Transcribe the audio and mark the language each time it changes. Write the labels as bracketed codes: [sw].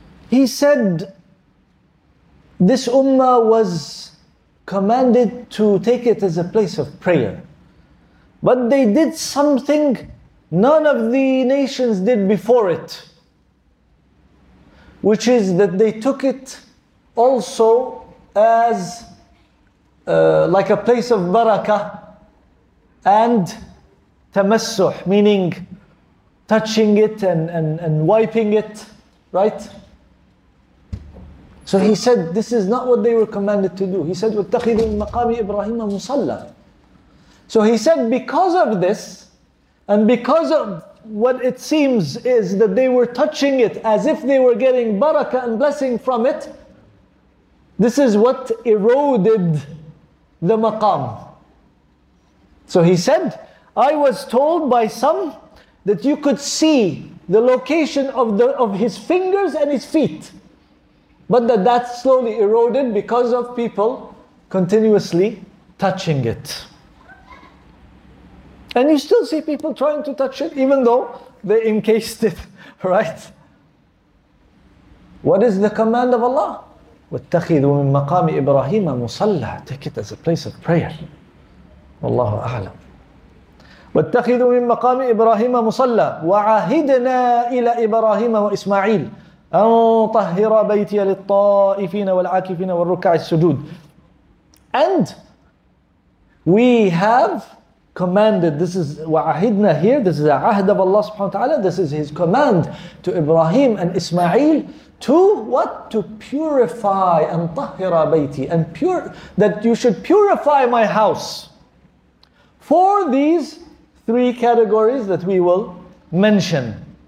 [en] He said, this ummah was commanded to take it as a place of prayer, but they did something none of the nations did before it, which is that they took it also as like a place of barakah and tamassuh, meaning touching it and wiping it, right? So he said, this is not what they were commanded to do. He said, [ar] وَاتَّخِذُوا مِن مَقَامِ إِبْرَاهِيمَ مُصَلَّى. [en] So he said, because of this, and because of what it seems is that they were touching it as if they were getting barakah and blessing from it, this is what eroded the maqam. So he said, I was told by some that you could see the location of his fingers and his feet, but that slowly eroded because of people continuously touching it. And you still see people trying to touch it even though they encased it, right? What is the command of Allah? [ar] وَاتَّخِذُوا مِن مَقَامِ إِبْرَاهِيمَ مُصَلَّى. [en] Take it as a place of prayer. [ar] وَاللَّهُ أَعْلَمُ. وَاتَّخِذُوا مِن مَقَامِ إِبْرَاهِيمَ مُصَلَّى. وَعَهِدْنَا إِلَىٰ إِبْرَاهِيمَ وَإِسْمَعِيلَ أَن طَهِّرَ بَيْتِيَ لِلطَّائِفِينَ وَالْعَاكِفِينَ وَالرُّكَعِ السُّجُودِ. [en] And we have commanded, this is wa'ahidna here, this is a ahd of Allah subhanahu wa ta'ala, this is his command to Ibrahim and Ismail to what? To purify and tahira bayti, and pure, that you should purify my house for these three categories that we will mention.